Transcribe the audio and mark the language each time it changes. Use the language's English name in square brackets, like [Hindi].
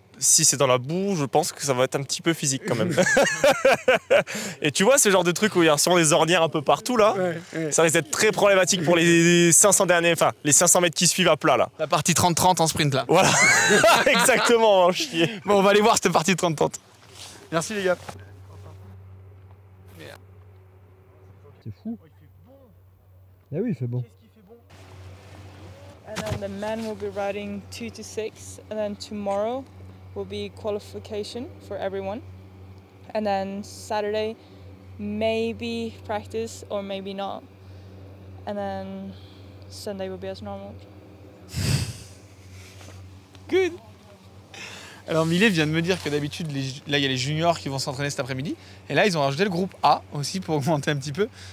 [French] Si c'est dans la boue, je pense que ça va être un petit peu physique quand même. Et tu vois ce genre de truc où il y a sûrement des ornières un peu partout là, ça risque d'être très problématique pour les 500 derniers, enfin les 500 mètres qui suivent à plat là. La partie 30-30 en sprint là. Voilà, exactement, on va en chier. Bon, on va aller voir cette partie 30-30. Merci les gars. C'est fou. Oh, il fait bon. Eh oui, il fait bon. [English] And then the men will be riding 2-6, and then tomorrow will be qualification for everyone, and then Saturday maybe practice or maybe not, and then Sunday will be as normal. Good. [French] Alors Millet vient de me dire que d'habitude là il y a les juniors qui vont s'entraîner cet après-midi, et là ils ont rajouté le groupe A aussi pour augmenter un petit peu.